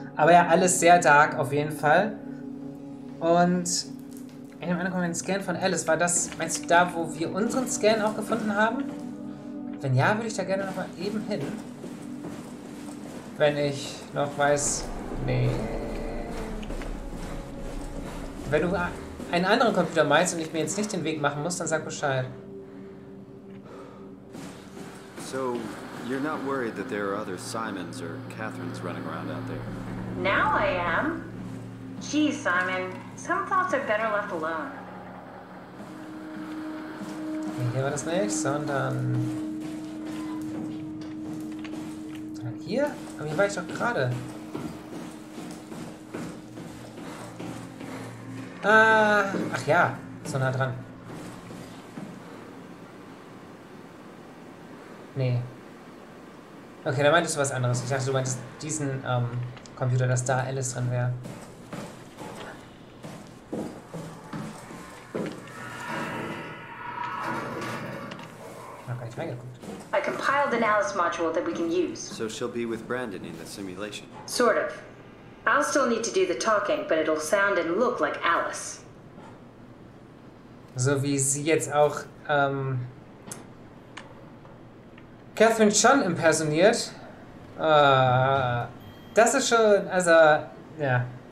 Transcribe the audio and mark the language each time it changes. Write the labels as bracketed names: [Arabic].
[German] Aber ja, alles sehr dark auf jeden Fall. Und in dem anderen Scan von Alice, war das, meinst du, da, wo wir unseren Scan auch gefunden haben? Wenn ja, würde ich da gerne nochmal eben hin. Wenn ich noch weiß, nee. Wenn du einen anderen Computer meinst und ich mir jetzt nicht den Weg machen muss, dann sag Bescheid. [English] So, you're not worried that there are other Simons or Catherines running around out there? Now I am. Geez, Simon, some thoughts are better left alone. [German] Hier war das nicht, sondern... Hier? Aber hier war ich doch gerade. Ach ja, so nah dran. Nee. Okay, dann meintest du was anderes. Ich dachte, du meintest diesen Computer, dass da Alice drin wäre. Hab gar nicht reingeguckt. [English] I compiled an Alice module that we can use. So she'll be with Brandon in the simulation. Sort of. I'll still need to do the talking, but it'll sound and look like Alice. [German] So wie sie jetzt auch Catherine Chun impersoniert. Das ist schon, also, ja.